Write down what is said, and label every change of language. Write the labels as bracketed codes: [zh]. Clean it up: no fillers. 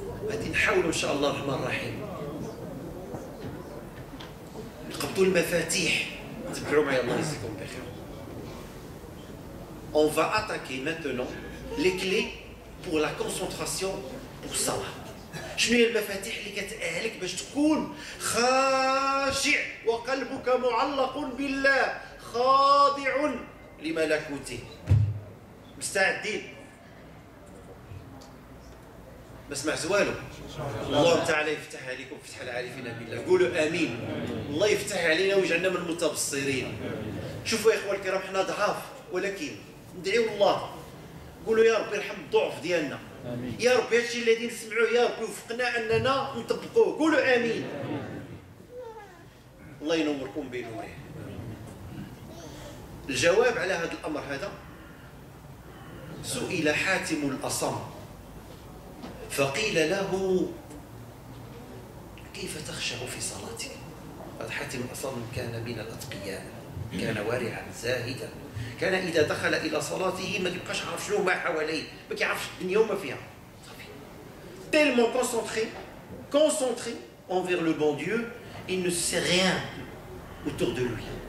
[ar] غادي نحاولوا إن شاء الله الرحمن الرحيم نقبضوا المفاتيح. تبعوا معي الله يجزيكم بخير. [fr] On va attaquer maintenant les clés pour la concentration pour Salah. [ar] شنو هي المفاتيح اللي كتأهلك باش تكون خاشع وقلبك معلق بالله، خاضع لملكوته، مستعدين؟ ما سمعت والو. الله تعالى يفتح عليكم فتح العارفين بالله. قولوا امين. الله يفتح علينا ويجعلنا من المتبصرين. شوفوا يا اخوان الكرام، حنا ضعاف ولكن ندعيو الله، قولوا يا ربي ارحم الضعف ديالنا. يا ربي هادشي الذي نسمعوه يا ربي وفقنا اننا نطبقوه. قولوا امين. الله ينوركم بنوره. الجواب على هذا الامر، هذا سئل حاتم الاصم فقيل له: كيف تخشع في صلاتك؟ هذا حاتم الاصم كان من الاتقياء، كان وارعا زاهدا، كان اذا دخل الى صلاته ما كيبقاش عارف شنو ما حواليه، ما كيعرفش الدنيا وما فيها. [fr] Tellement concentré, concentré envers le bon Dieu, il ne sait rien autour de lui.